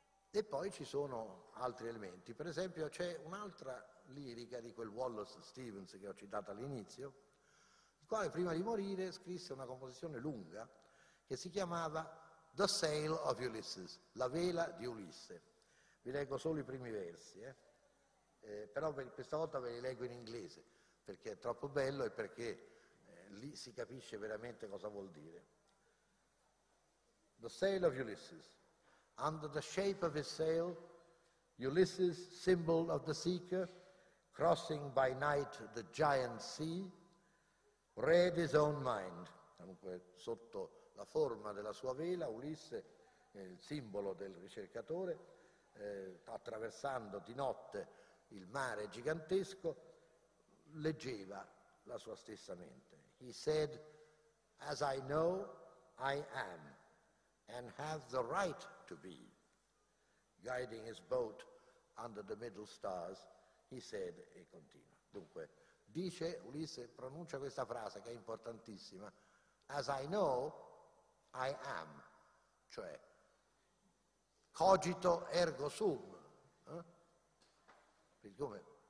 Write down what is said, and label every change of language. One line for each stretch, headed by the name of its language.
Italian: E poi ci sono altri elementi, per esempio c'è un'altra lirica di quel Wallace Stevens che ho citato all'inizio, il quale prima di morire scrisse una composizione lunga che si chiamava The Sail of Ulysses, la vela di Ulisse. Vi leggo solo i primi versi, però questa volta ve li leggo in inglese perché è troppo bello e perché lì si capisce veramente cosa vuol dire.
English: The Sail of Ulysses. Under the shape of his sail, Ulysses, symbol of the seeker, crossing by night the giant sea, read his own mind.
Italian: Dunque, sotto la forma della sua vela, Ulisse, il simbolo del ricercatore, attraversando di notte il mare gigantesco, leggeva la sua stessa mente.
English: He said, as I know, I am, and have the right to be. Guiding his boat under the middle stars, he said,
Italian: e continua. Dunque, dice Ulisse, pronuncia questa frase che è importantissima,
English: as I know, I am,
Italian: cioè,
Latin: cogito ergo sum,
Italian: come?